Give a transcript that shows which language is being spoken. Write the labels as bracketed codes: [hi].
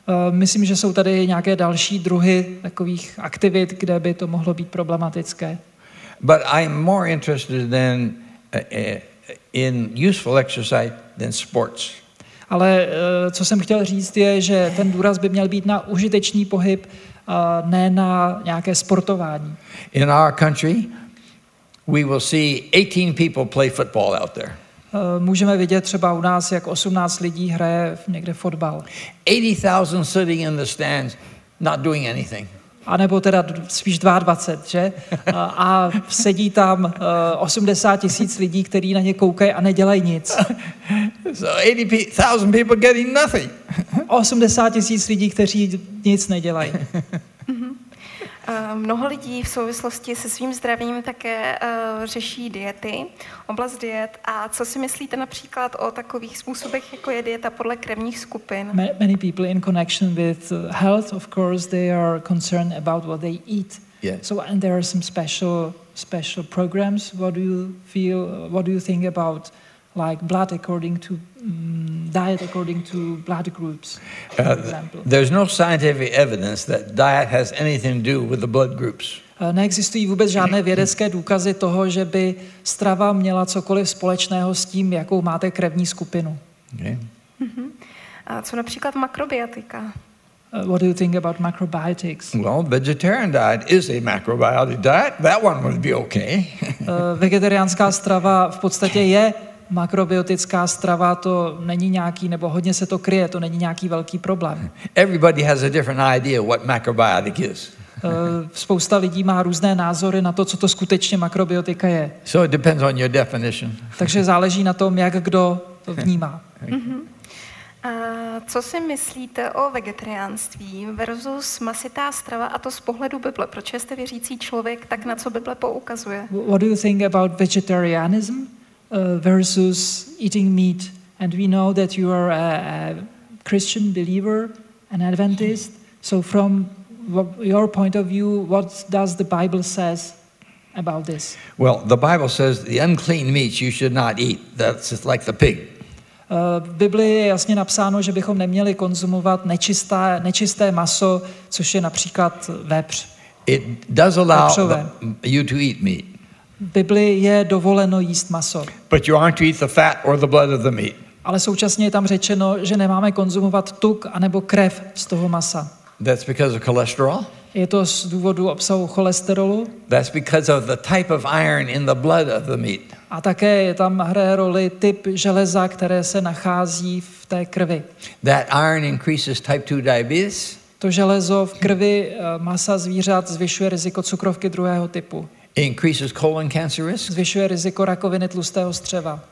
[cs] Myslím, že jsou tady nějaké další druhy takových aktivit, kde by to mohlo být problematické. [en] But I'm more interested than in useful exercise than sports. [cs] Ale co jsem chtěl říct je, že ten důraz by měl být na užitečný pohyb ne na nějaké sportování. [en] In our country we will see 18 people play football out there. [cs] Můžeme vidět třeba u nás, jak 18 lidí hraje někde fotbal. [en] 80,000 sitting in the stands not doing anything. [cs] A nebo teda spíš 22, že? A sedí tam 80,000 lidí, kteří na ně koukají a nedělají nic. [en] So 80,000 people getting nothing. [cs] 80,000 lidí, kteří nic nedělají. Mnoho lidí v souvislosti se svým zdravím také řeší diety, oblast diet. A co si myslíte například o takových způsobech, jako je dieta podle krevních skupin? [en] Many people in connection with health, of course, they are concerned about what they eat. Yes. So, and there are some special programs. What do you feel, what do you think about like blood according to diet according to blood groups, for example. There's no scientific evidence that diet has anything to do with the blood groups. [cs] Neexistují vůbec žádné vědecké důkazy toho, že by strava měla cokoliv společného s tím, jakou máte krevní skupinu. [en] Okay. [cs] A co například makrobiotika? [en] What do you think about macrobiotics? Well, vegetarian diet is a macrobiotic diet. That one would be okay. [cs] Vegetariánská strava v podstatě je makrobiotická strava, to není nějaký, nebo hodně se to kryje, to není nějaký velký problém. [en] Everybody has a different idea what macrobiotic is. [cs] Spousta lidí má různé názory na to, co to skutečně makrobiotika je. [en] So it depends on your definition. [cs] Takže záleží na tom, jak kdo to vnímá. Co si myslíte o vegetariánství versus masitá strava a to z pohledu Bible? Proč jste věřící člověk, tak na co Bible poukazuje? [en] What do you think about vegetarianism versus eating meat? And we know that you are a Christian believer, an Adventist. So from your point of view, what does the Bible says about this? Well, the Bible says the unclean meats you should not eat. That's just like the pig. [cs] V Biblii je jasně napsáno, že bychom neměli konzumovat nečisté maso, což je například vepř. [en] It does allow you to eat meat. [cs] V Biblii je dovoleno jíst maso. [en] But you aren't to eat the fat or the blood of the meat. [cs] Ale současně je tam řečeno, že nemáme konzumovat tuk anebo krev z toho masa. [en] That's because of cholesterol. [cs] Je to z důvodu obsahu cholesterolu. [en] That's because of the type of iron in the blood of the meat. [cs] A také je tam hraje roli typ železa, které se nachází v té krvi. [en] That iron increases type 2 diabetes. [cs] To železo v krvi masa zvířat zvyšuje riziko cukrovky druhého typu. [en] Increases colon cancer risk. [cs] Zvyšuje riziko rakoviny tlustého střeva.